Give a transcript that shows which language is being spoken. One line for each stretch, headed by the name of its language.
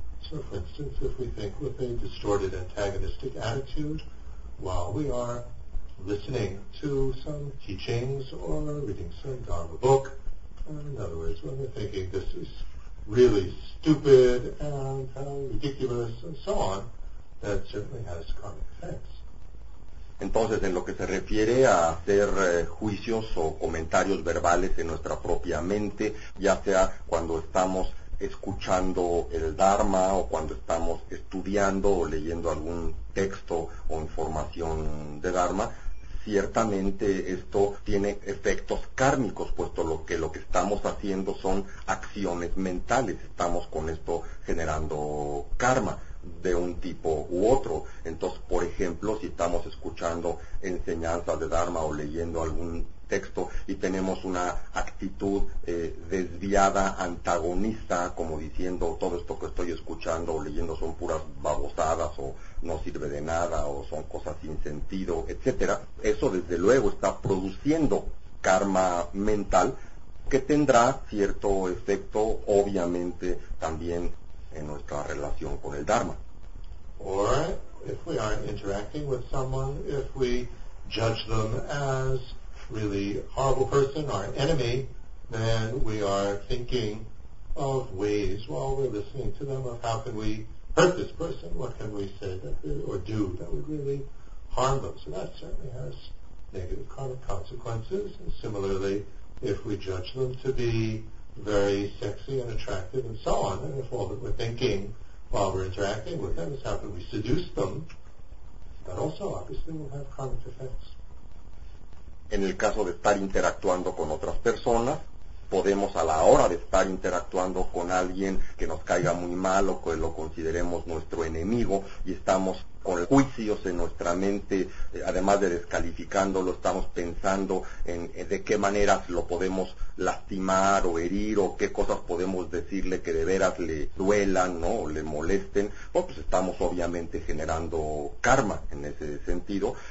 English: So, for instance, if we think with a distorted antagonistic attitude while we are listening to some teachings or reading some Dharma book, in other words, when we're thinking this is really stupid and ridiculous and so on, that certainly has karmic effects.
Spanish: Entonces, en lo que se refiere a hacer juicios o comentarios verbales en nuestra propia mente, ya sea cuando estamos escuchando el Dharma o cuando estamos estudiando o leyendo algún texto o información de Dharma, ciertamente esto tiene efectos kármicos, puesto lo que estamos haciendo son acciones mentales, estamos con esto generando karma de un tipo u otro. Entonces, por ejemplo, si estamos escuchando enseñanzas de Dharma o leyendo algún texto y tenemos una actitud desviada, antagonista, como diciendo todo esto que estoy escuchando o leyendo son puras babosadas o no sirve de nada o son cosas sin sentido, etcétera, eso desde luego está produciendo karma mental que tendrá cierto efecto, obviamente, también en nuestra relación con el Dharma.
English: Or if we are interacting with someone, if we judge them as really horrible person, our enemy, then we are thinking of ways while we're listening to them of how can we hurt this person, what can we say that or do that would really harm them. So that certainly has negative karmic consequences. And similarly, if we judge them to be very sexy and attractive and so on, and if all that we're thinking while we're interacting with them is how can we seduce them, that also obviously will have karmic effects.
Spanish: En el caso de estar interactuando con otras personas, podemos a la hora de estar interactuando con alguien que nos caiga muy mal o que lo consideremos nuestro enemigo y estamos con juicios en nuestra mente, además de descalificándolo, estamos pensando en de qué maneras lo podemos lastimar o herir o qué cosas podemos decirle que de veras le duelan, ¿no?, o le molesten, pues estamos obviamente generando karma en ese sentido.